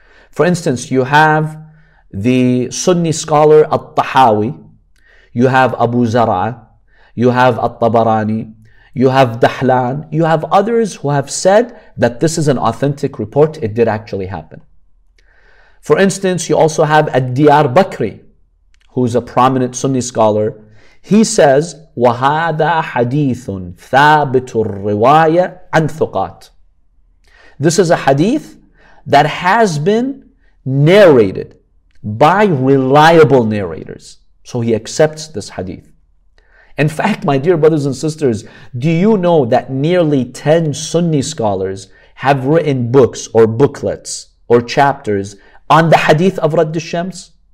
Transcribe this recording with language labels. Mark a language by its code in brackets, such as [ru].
[en] For instance, you have the Sunni scholar At-Tahawi, you have Abu Zara, you have At-Tabarani, you have Dahlan, you have others who have said that this is an authentic report, it did actually happen. For instance, you also have Ad-Diyar Bakri, who's a prominent Sunni scholar. He says, [ar] وَهَذَا حَدِيثٌ ثَابِتُ الرِّوَايَةِ عَنْ ثُقَاتٍ. [en] This is a hadith that has been narrated by reliable narrators. So he accepts this hadith. In fact, my dear brothers and sisters, do you know that nearly 10 Sunni scholars have written books or booklets or chapters on the hadith of Radd al-Shams?